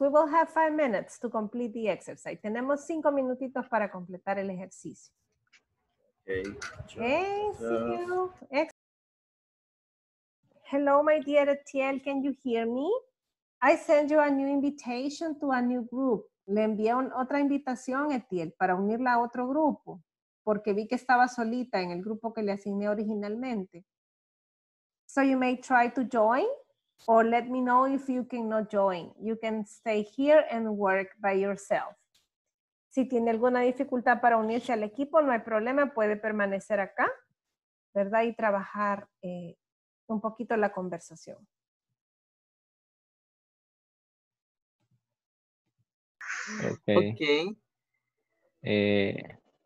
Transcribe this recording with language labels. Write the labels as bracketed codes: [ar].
[en] We will have 5 minutes to complete the exercise. [es] Tenemos 5 minutitos para completar el ejercicio. [en] Okay. Okay, see you. Hello, my dear Etiel, can you hear me? I send you a new invitation to a new group. [es] Le envié otra invitación, Etiel, para unirla a otro grupo, porque vi que estaba solita en el grupo que le asigné originalmente. [en] So you may try to join, or let me know if you cannot join. You can stay here and work by yourself. [es] Si tiene alguna dificultad para unirse al equipo, no hay problema, puede permanecer acá, ¿verdad? Y trabajar un poquito la conversación. [en] Okay. Okay.